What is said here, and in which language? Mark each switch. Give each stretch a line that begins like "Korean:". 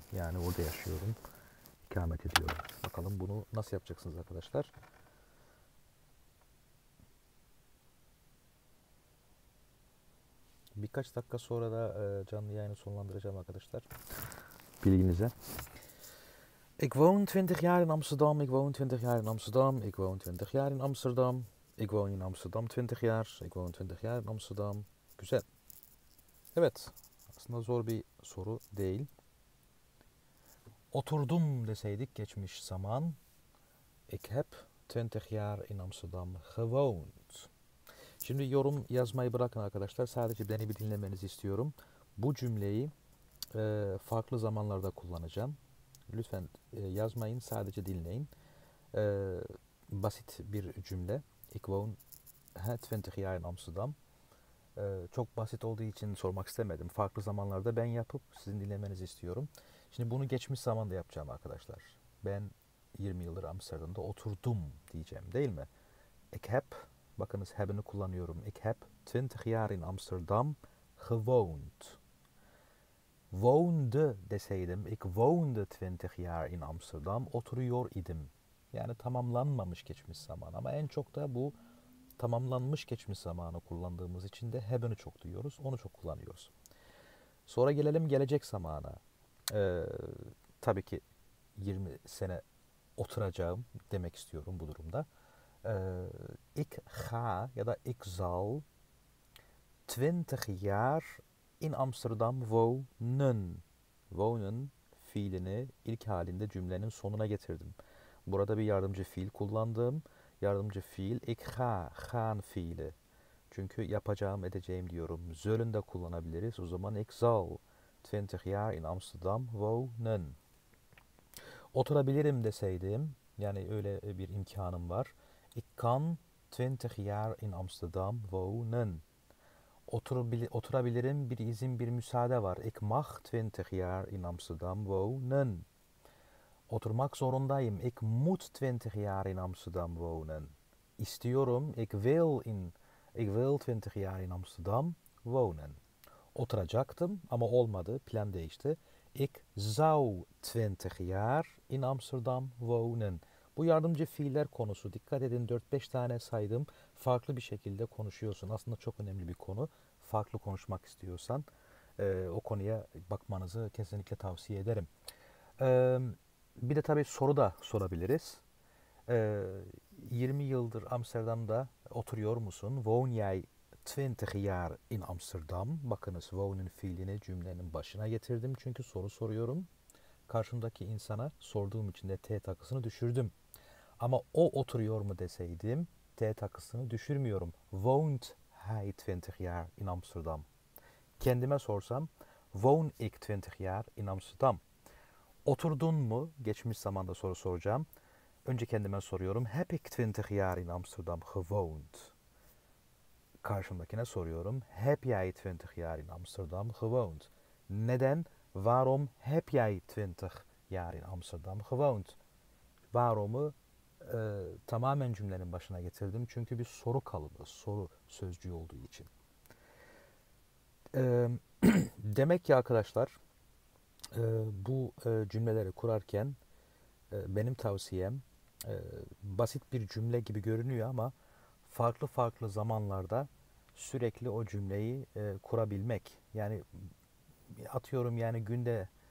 Turkish: Yani orada yaşıyorum. İkamet ediyorum. Bakalım bunu nasıl yapacaksınız arkadaşlar? Birkaç dakika sonra da canlı yayını sonlandıracağım arkadaşlar. Bilginize.
Dutch: Ik woon 20 jaar in Amsterdam. Ik woon 20 jaar in Amsterdam. Ik woon 20 jaar in Amsterdam. Ik woon in Amsterdam 20 jaar. Ik woon 20 jaar in Amsterdam.
Turkish: Güzel. Evet. Aslında zor bir soru değil. Oturdum deseydik geçmiş zaman.
Dutch: Ik heb 20 jaar in Amsterdam gewoond.
Turkish: Şimdi yorum yazmayı bırakın arkadaşlar. Sadece beni bir dinlemenizi istiyorum. Bu cümleyi farklı zamanlarda kullanacağım. Lütfen yazmayın, sadece dinleyin. Basit bir cümle.
Dutch: Ik woon 20 jaar in Amsterdam.
Turkish: Çok basit olduğu için sormak istemedim. Farklı zamanlarda ben yapıp sizin dinlemenizi istiyorum. Şimdi bunu geçmiş zamanda yapacağım arkadaşlar. Ben 20 yıldır Amsterdam'da oturdum diyeceğim, değil mi?
Dutch: Ik heb,
Turkish: bakınız heb'ini kullanıyorum.
Dutch: Ik heb 20 jaar in Amsterdam gewoond. Woonde
Turkish: deseydim,
Dutch: ik woonde 20 jaar in Amsterdam,
Turkish: oturuyor idim. Yani tamamlanmamış geçmiş zaman, ama en çok da bu tamamlanmış geçmiş zamanı kullandığımız için de have'ını çok duyuyoruz. Onu çok kullanıyoruz. Sonra gelelim gelecek zamana. Tabii ki 20 sene oturacağım demek istiyorum bu durumda.
Dutch: Ik ga
Turkish: ya da
Dutch: ik zal 20 jaar in Amsterdam wonen.
Turkish: Wonen fiilini ilk halinde cümlenin sonuna getirdim. Burada bir yardımcı fiil kullandım. Yardımcı fiil
Dutch: ik gaan
Turkish: fiili. Çünkü yapacağım, edeceğim diyorum. Zölün de kullanabiliriz. O zaman
Dutch: ik zal 20 jaar in Amsterdam wonen.
Turkish: Oturabilirim deseydim, yani öyle bir imkanım var.
Dutch: Ik kan 20 jaar in Amsterdam wonen.
Turkish: Oturabilirim, bir izin, bir müsaade var.
Dutch: Ik mag 20 jaar in Amsterdam wonen.
Turkish: Oturmak zorundayım.
Dutch: Ik moet 20 jaar in Amsterdam wonen.
Turkish: İstiyorum.
Dutch: Ik wil 20 jaar in Amsterdam wonen.
Turkish: Oturacaktım ama olmadı. Plan değişti.
Dutch: Ik zou 20 jaar in Amsterdam wonen.
Turkish: Bu yardımcı fiiller konusu. Dikkat edin, 4-5 tane saydım. Farklı bir şekilde konuşuyorsun. Aslında çok önemli bir konu. Farklı konuşmak istiyorsan o konuya bakmanızı kesinlikle tavsiye ederim. Bir de tabii soru da sorabiliriz. 20 yıldır Amsterdam'da oturuyor musun?
Dutch: Woon jij 20 jaar in Amsterdam?
Turkish: Bakınız, woon'un fiilini cümlenin başına getirdim. Çünkü soru soruyorum. Karşımdaki insana sorduğum için de T takısını düşürdüm. Ama o oturuyor mu deseydim, T takısını düşürmüyorum.
Dutch: Won't he 20 jaar in Amsterdam?
Turkish: Kendime sorsam,
Dutch: won't ik 20 jaar in Amsterdam?
Turkish: Oturdun mu? Geçmiş zamanda soru soracağım. Önce kendime soruyorum.
Dutch: Heb ik 20 jaar in Amsterdam gewoond?
Turkish: Karşımdakine soruyorum.
Dutch: Heb jij 20 jaar in Amsterdam gewoond?
Turkish: Neden?
Dutch: Waarom heb jij 20 jaar in Amsterdam gewoond?
Turkish: Waarom'u tamamen cümlenin başına getirdim. Çünkü bir soru kalıbı, soru sözcüğü olduğu için. Demek ki arkadaşlar, bu cümleleri kurarken benim tavsiyem, basit bir cümle gibi görünüyor ama farklı farklı zamanlarda sürekli o cümleyi kurabilmek. Yani atıyorum, yani günde